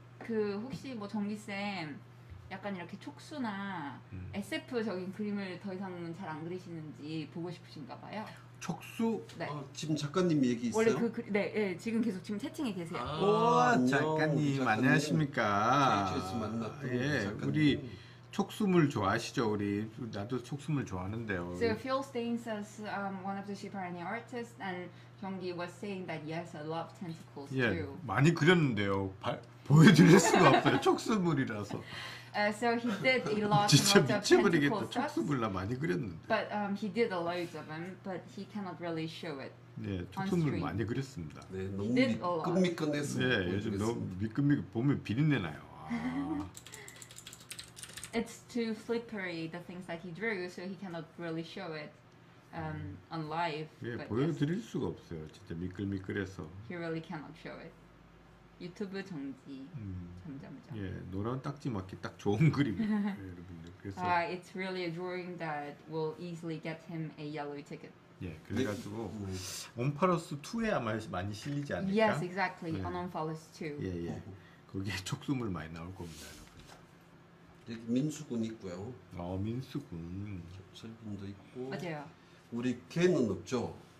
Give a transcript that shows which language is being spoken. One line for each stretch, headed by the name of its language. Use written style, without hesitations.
Korean: 그 혹시 뭐 정기 쌤 약간 이렇게 촉수나 SF적인 그림을 더 이상은 잘 안 그리시는지 보고 싶으신가 봐요. 촉수? 네. 아, 지금 작가님 얘기 있어요? 원래 그 네, 예, 지금 계속 지금 채팅에 계세요. 아, 오, 안녕. 작가님 안녕하십니까? 저희 만났던 예, 작가님. 우리 촉수물 좋아하시죠? 우리 나도 촉수물 좋아하는데요.
English: So Phil Stein says one of the Shibarani artists and Jeonggi was saying that yes, I love tentacles too.
Korean: 예, 많이 그렸는데요. 보여드릴 수가 없어요. 촉수물이라서.
English: So he did a lot of tentacle stuff.
Korean: 촉수물라 많이 그렸는데.
English: But he did a lot of them, but he cannot really show it.
Korean: 네, 촉수물 많이 그렸습니다. 네, 너무 미끈미끈했어요. 네, 요즘 너무 미끈미끈 보면 비린내 나요. 아.
English: It's too slippery the things that he drew, so he cannot really show it on live.
Korean: 네, 보여드릴 수가 없어요. 진짜 미끌미끌해서.
English: He really cannot show it.
Korean: 유튜브 정지 점점점. 예, 노란 딱지 맞게 딱 좋은 그림. 예, 여러분들 그래서.
English: It's really a drawing that will easily get him a yellow ticket.
Korean: 예, 그래가지고 온파러스 2에 아마 많이 실리지 않을까?
English: Yes, exactly. 예. On Onfalos 2.
Korean: 예, 예. 거기에 촉수물 많이 나올 겁니다, 여러분. 여기 민수군 있고요. 아, 어, 민수군. 철빈도 있고. 맞아요. 우리 개는 없죠.